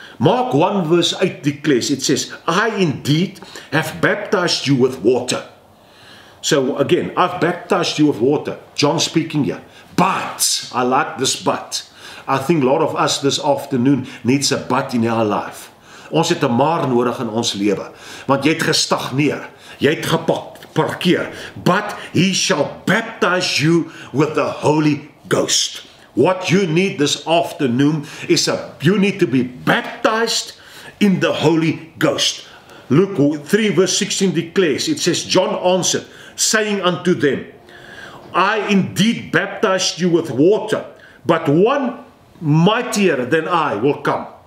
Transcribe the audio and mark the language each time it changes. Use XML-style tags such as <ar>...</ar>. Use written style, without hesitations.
<en>Mark 1 verse 8 declares, it says, I indeed have baptized you with water. So again, I've baptized you with water. John speaking here. But, I like this but. I think a lot of us this afternoon needs a but in our life.</en> <af>Ons het 'n maar nodig in ons lewe. Want jy het gestagneer. Jy het geparkeer.</af> <en>But he shall baptize you with the Holy Ghost. What you need this afternoon is you need to be baptized in the Holy Ghost. Luke 3 verse 16 declares, it says, John answered, saying unto them, I indeed baptized you with water, but one mightier than I will come.</en>